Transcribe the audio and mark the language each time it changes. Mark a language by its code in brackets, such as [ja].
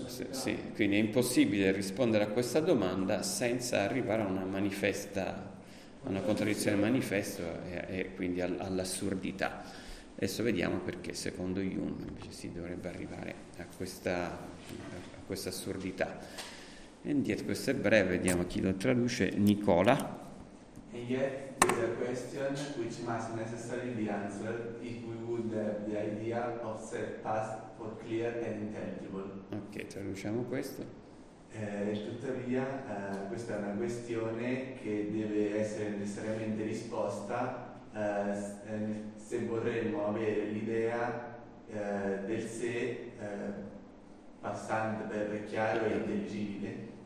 [it] sì, quindi è impossibile rispondere a questa domanda senza arrivare a una manifesta, a una contraddizione manifesta e quindi all'assurdità. Adesso vediamo perché secondo Hume invece si dovrebbe arrivare a questa assurdità. Indietro, questo è breve, vediamo chi lo traduce, Nicola. [en] And yet there's a question which must necessarily be answered if we would have the idea of self-past for clear and intelligible. [it] Ok, traduciamo questo. Tuttavia, questa è una questione che deve essere necessariamente risposta se vorremmo avere l'idea del sé passante per chiaro e intelligibile.